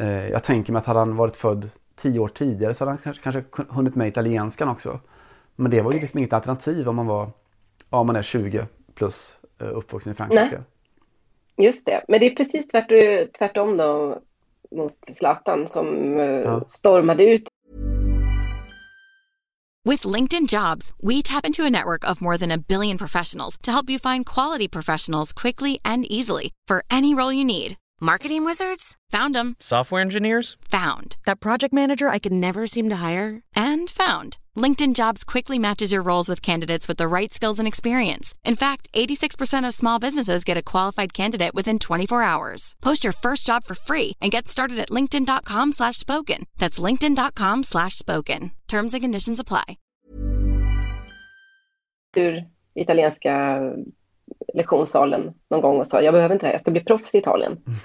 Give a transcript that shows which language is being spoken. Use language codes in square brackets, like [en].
[sv] Jag tänker mig att hade han varit född 10 år tidigare så hade han kanske hunnit med italienskan också. Men det var ju liksom inget alternativ om man var, ja, man är 20 plus uppvuxen i Frankrike. Nej. Just det. Men det är precis tvärtom då mot Zlatan som stormade ut. [en] With LinkedIn Jobs, we tap into a network of more than a billion professionals to help you find quality professionals quickly and easily for any role you need. Marketing wizards? Found them. Software engineers? Found. That project manager I could never seem to hire? And found. LinkedIn Jobs quickly matches your roles with candidates with the right skills and experience. In fact, 86% of small businesses get a qualified candidate within 24 hours. Post your first job for free and get started at linkedin.com/spoken. That's linkedin.com/spoken. Terms and conditions apply. [sv] Ur italienska lektionssalen någon gång och sa jag behöver inte det här, jag ska bli proffs i Italien.